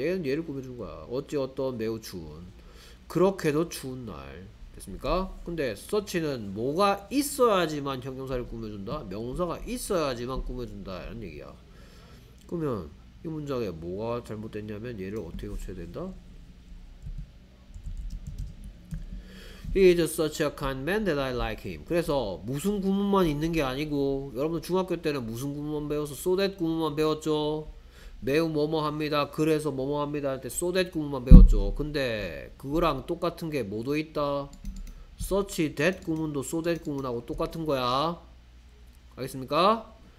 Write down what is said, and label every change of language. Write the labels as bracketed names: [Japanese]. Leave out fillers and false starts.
[Korean] 얘는 얘를 꾸며준 거야. 어찌 어떤 매우 추운, 그렇게도 추운 날. 됐습니까? 근데 서치는 뭐가 있어야지만 형용사를 꾸며준다? 명사가 있어야지만 꾸며준다 이런 얘기야. 그러면 이 문장에 뭐가 잘못됐냐면, 얘를 어떻게 고쳐야 된다? [English] He is such a kind man that I like him. [Korean] 그래서 무슨 구문만 있는 게 아니고, 여러분 중학교 때는 무슨 구문만 배웠어? So that 구문만 배웠죠. 매우 뭐뭐합니다, 그래서 뭐뭐합니다 할때 So that 구문만 배웠죠. 근데 그거랑 똑같은 게 뭐도 있다? Such that 구문도 So that 구문하고 똑같은 거야. 알겠습니까?